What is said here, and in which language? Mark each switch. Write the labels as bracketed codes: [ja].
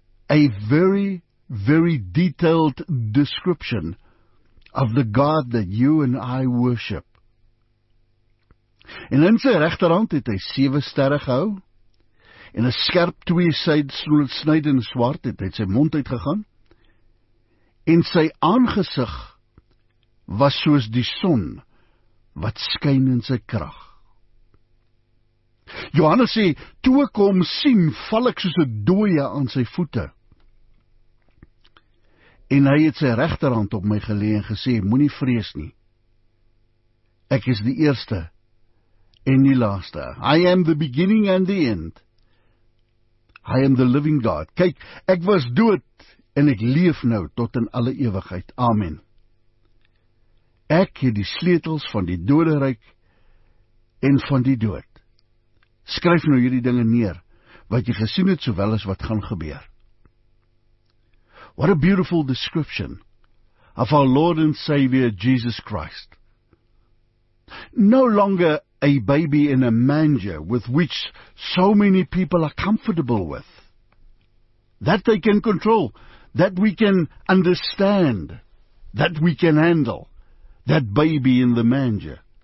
[en] A very, very detailed description of the God that you and I worship. [af] En in sy regterhand het hy 7 sterre gehou, en 'n skerp 2-sided snyd in swart het uit sy mond uitgegaan, en sy aangesig was soos die son wat skyn in sy krag. Johannes sê, toe ek hom sien, val ek soos 'n dooie aan sy voete. En hy het sy regterhand op my gelê en gesê, moenie vrees nie. Ek is die eerste en die laaste. [en] I am the beginning and the end. I am the living God. [af] Kyk, ek was dood en ek leef nou tot in alle ewigheid. Amen. Ek het die sleutels van die doderyk en van die dood. Skryf nou hierdie dinge neer, wat jy gesien het, sowel as wat gaan gebeur. [en] What a beautiful description of our Lord and Savior Jesus Christ. No longer a baby in a manger with which so many people are comfortable with. That they can control, that we can understand, that we can handle, that baby in the manger.